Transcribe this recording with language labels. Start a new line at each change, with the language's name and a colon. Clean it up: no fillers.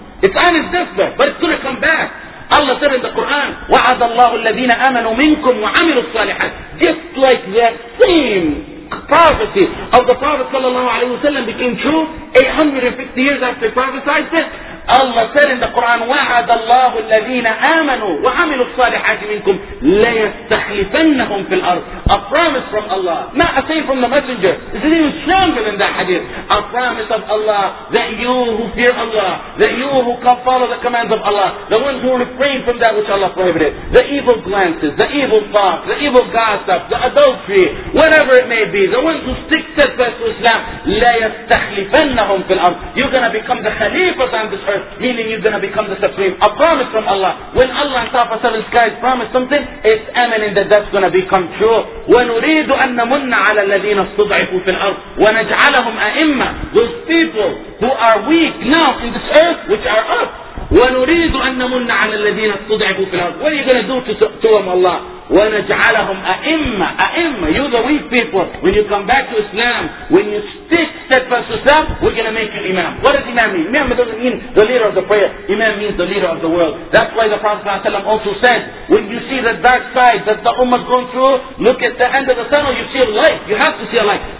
English: It's on its deathbed, but it's going to come back. Allah said in the Quran,
Arabic: وَعَدَ اللَّهُ الَّذِينَ آمَنُوا مِنْكُمْ وَعَمِلُوا الصَّالِحَاتِ.
English: Just like that same prophecy of the Prophet sallallahu alayhi wa sallam became true 850 years after he prophesied it. Allah said in the Quran,
Arabic: وَعَدَ اللَّهُ الَّذِينَ آمَنُوا وَعَمِلُوا الصَّالِحَاتِ مِنْكُمْ لَيَسْتَخْلِفَنَّهُمْ فِي الْأَرْضِ.
English: A promise from Allah. Not a saying from the messenger. It's even stronger than that hadith. A promise of Allah that you who fear Allah, that you who come follow the commands of Allah, the ones who refrain from that which Allah prohibited, the evil glances, the evil thoughts, the evil gossip, the adultery, whatever it may be, the ones who stick steadfast to Islam,
Arabic: لَيَسْتَخْلِفَنَّهُمْ فِي الْأَرْضِ.
English: You're going to become the Khalifa on this earth, meaning you're going to become the Supreme. A promise from Allah. When Allah on top of seven skies promised something, it's imminent that that's going to become true.
Arabic: ونريد أن نمن على الذين استضعفوا في الأرض ونجعلهم أئمة.
English: Those people who are weak now in this earth, which are us.
Arabic: ونريد أن نمن على الذين استضعفوا في الأرض.
English: What are you going to do to them, Allah?
Arabic: ونجعلهم أئمة.
English: أئمة, you the weak people. When you come back to Islam, when you stick steadfast to Islam, we're going to make you imam. What does imam mean? Imam doesn't mean the leader of the prayer. Imam means the leader of the world. That's why the Prophet ﷺ also said, when you see the dark side that the ummah is going through, look at the end of the tunnel, you see a light. You have to see a light.